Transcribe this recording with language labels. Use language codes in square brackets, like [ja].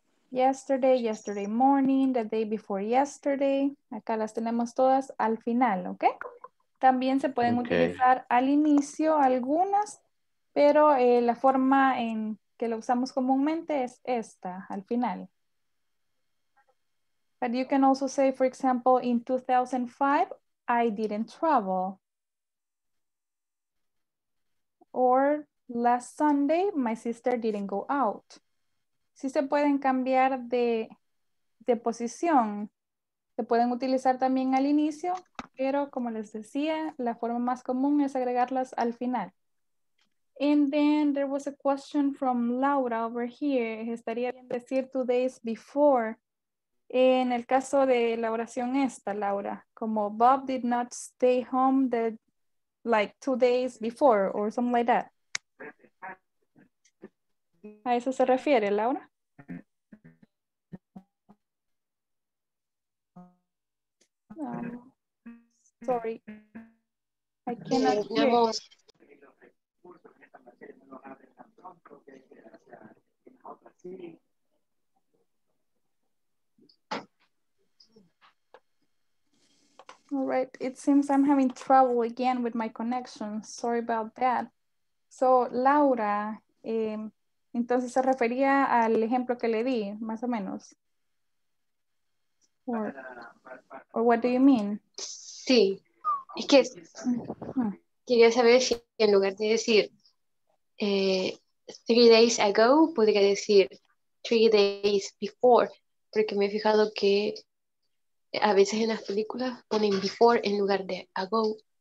[en] Yesterday, yesterday morning, the day before yesterday. [es] Acá las tenemos todas al final, ¿ok? También se pueden okay. utilizar al inicio algunas, pero la forma en que lo usamos comúnmente es esta, al final. [en] But you can also say, for example, in 2005, I didn't travel. Or last Sunday, my sister didn't go out. [es] Sí se pueden cambiar de posición. Se pueden utilizar también al inicio, pero como les decía, la forma más común es agregarlas al final. [en] And then there was a question from Laura over here. [es] Estaría bien decir 2 days before. En el caso de la oración esta, Laura, como Bob did not stay home the like 2 days before or something like that. ¿A eso se refiere, Laura? [en] Sorry. I cannot hear. Yeah, it. It seems I'm having trouble again with my connection. Sorry about that. [es] So, Laura, entonces se refería al ejemplo que le di, más o menos. [en] Or what do you mean? [es] Sí, es que quería saber si en lugar de decir 3 days ago, podría decir 3 days before, porque me he fijado que a veces en las películas ponen before en lugar de ago.